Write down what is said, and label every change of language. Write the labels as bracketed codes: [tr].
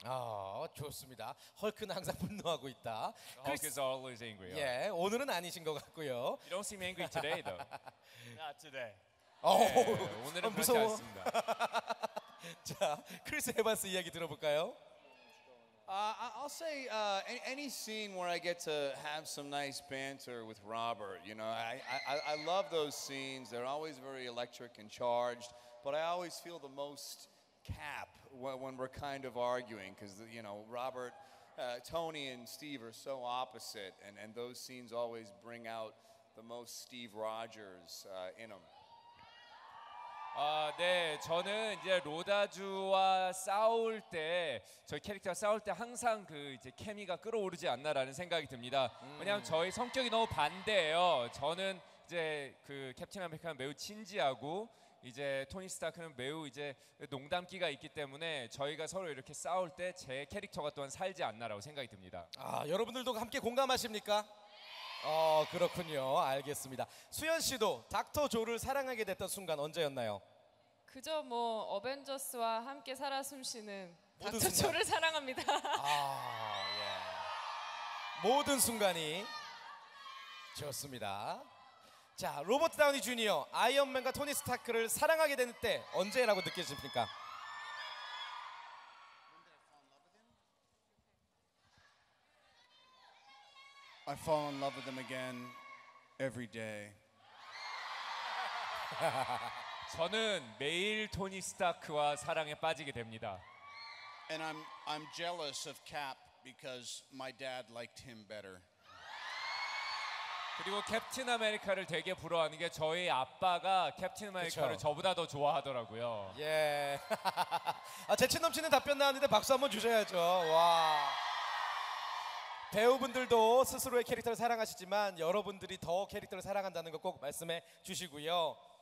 [ko] 아, 좋습니다. 헐크는 항상 분노하고 있다. [en] Hulk is always angry. [ko] 예, 오늘은 아니신 것 같고요. [en] You don't seem angry today, though. Not today. 오, [ko] 네, 오늘은 그렇지 않습니다. 자, 크리스 에반스 이야기 들어볼까요? [en] I'll say any scene where I get to have some nice banter with Robert. You know, I love those scenes. They're always very electric and charged. But I always feel the most Cap when we're kind of arguing because, you know, Robert, Tony and Steve are so opposite. And those scenes always bring out the most Steve Rogers in them. [ko] 아, 네. 저는 이제 로다주와 싸울 때 저희 캐릭터가 싸울 때 항상 그 이제 케미가 끌어오르지 않나라는 생각이 듭니다. 왜냐면 저희 성격이 너무 반대예요. 저는 이제 그 캡틴 아메리카는 매우 진지하고 이제 토니 스타크는 매우 이제 농담기가 있기 때문에 저희가 서로 이렇게 싸울 때 제 캐릭터가 또한 살지 않나라고 생각이 듭니다. 아, 여러분들도 함께 공감하십니까? 어 그렇군요. 알겠습니다. 수현 씨도 닥터 조를 사랑하게 됐던 순간 언제였나요? 그저 뭐 어벤져스와 함께 살아 숨쉬는 닥터 순간. 조를 사랑합니다. 아 예. 모든 순간이 좋습니다. 자 로버트 다우니 주니어 아이언맨과 토니 스타크를 사랑하게 된 때 언제라고 느끼십니까? [en] I fall in love with them again every day. [ko] 저는 매일 토니 스타크와 사랑에 빠지게 됩니다. [en] And I'm jealous of Cap because my dad liked him better. [ko] 그리고 캡틴 아메리카를 되게 부러워하는 게 저희 아빠가 캡틴 아메리카를 그쵸. 저보다 더 좋아하더라고요. 예. Yeah. 아, 재치 넘치는 답변 나왔는데 박수 한번 주셔야죠. 와. 배우분들도 스스로의 캐릭터를 사랑하시지만 여러분들이 더 캐릭터를 사랑한다는 거 꼭 말씀해 주시고요.